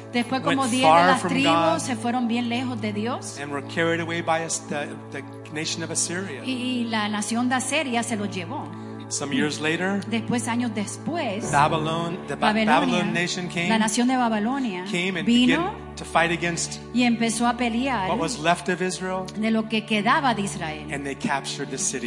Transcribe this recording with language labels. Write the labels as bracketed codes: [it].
[es] Después como 10 de las tribus se fueron bien lejos de Dios. [en] And were carried away by the nation of Assyria. [es] Y la nación de Asiria se los llevó. [en] Some years later, [es] después, años después, [en] Babylon nation came. [es] La nación de Babilonia [en] came and [es] vino, [en] began to fight against [es] y empezó a pelear [en] what was left of Israel, [es] de lo que quedaba de Israel. [en] And they captured the city